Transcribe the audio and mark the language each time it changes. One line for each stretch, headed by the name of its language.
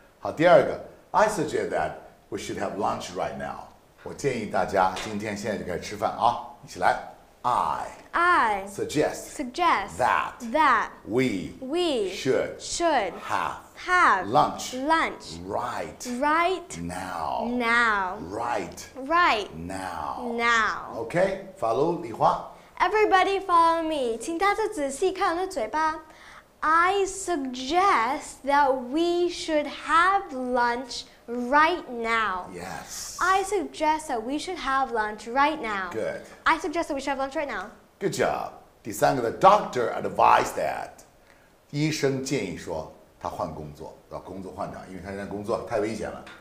Chinese: 好，第二个
English: I suggest that we should have lunch right now.
Chinese: 我建议大家今天现在就开始吃饭啊，一起来。
English: I suggest that we should have lunch right now. Right now. Okay, follow 李华。 Everybody follow me.
Chinese: 请大家仔细看我的嘴巴。
English: I suggest that we should have lunch right now. Yes. I suggest that we should have lunch right now. Good. I suggest that we should have lunch right now. Good job.
Chinese: 第三个
English: the doctor advised that.
Chinese: 医生建议说他换工作，要工作换岗，因为他现在工作太危险了。